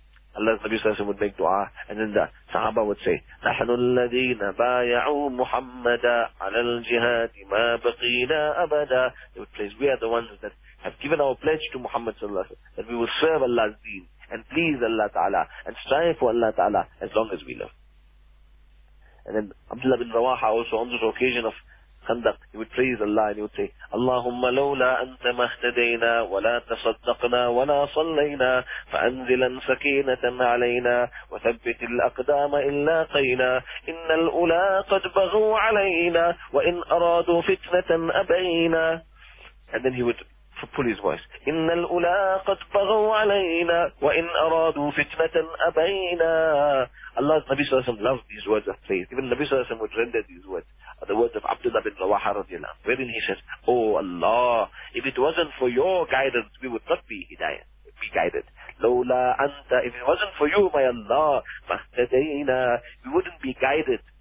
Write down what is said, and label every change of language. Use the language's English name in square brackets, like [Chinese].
[English] Allah Nabi Sallallahu Alaihi Wasallam would make dua, and then the Sahaba would say, [Arabic] نَحْنُ الَّذِينَ بَايَعُوا مُحَمَّدًا عَلَى الْجِهَادِ مَا بَقِيْنَا أَبَدًا. [English] They would place, we are the ones that have given our pledge to Muhammad Sallallahu Alaihi Wasallam, that we will serve Allah's deen, and please Allah Ta'ala, and strive for Allah Ta'ala, as long as we live. And then Abdullah bin Rawaha also, on this occasion of Khandaq, he would praise Allah, and he would say, [Arabic] اللهم لولا أنت ما اهتدينا ولا تصدقنا ولا صلينا فأنزلا سكينة علينا وثبت الأقدام إن لاقينا إن الأولى قد بغوا علينا وإن أرادوا فتنة أبينا. [English] And then he would pull his voice. [Arabic] إن الأولى قد بغوا علينا وإن أرادوا فتنة أبينا. [English] Allah's Nabi Sallallahu Alaihi Wasallam loved these words of praise. Even Nabi Sallallahu Alaihi Wasallam would render these words. The words of Abdullah bin Rawaha radiallahu anhu, wherein he says, oh Allah, if it wasn't for your guidance, we would not be hidayah, be guided. [Arabic] Lawla anta, [English] if it wasn't for you, my Allah, mahtadayna, we wouldn't be guided.